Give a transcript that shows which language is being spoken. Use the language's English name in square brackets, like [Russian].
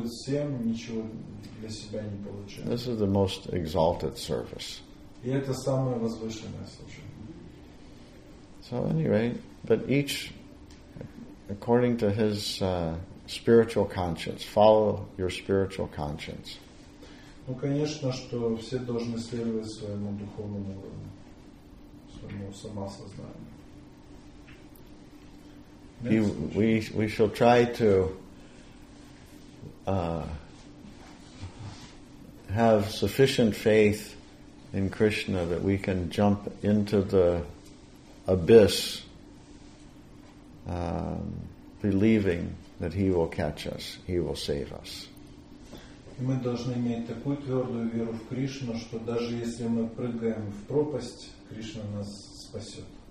[English] This is the most exalted service. So anyway, but each according to his spiritual conscience, follow your spiritual conscience. [Russian] Ну, конечно, что все должны следовать своему духовному уровню, своему самосознанию. [English] We shall try to have sufficient faith in Krishna that we can jump into the abyss believing that he will catch us, he will save us. [Russian] Мы должны иметь такую твердую веру в Кришну, что даже если мы прыгаем в пропасть, Кришна нас спасет.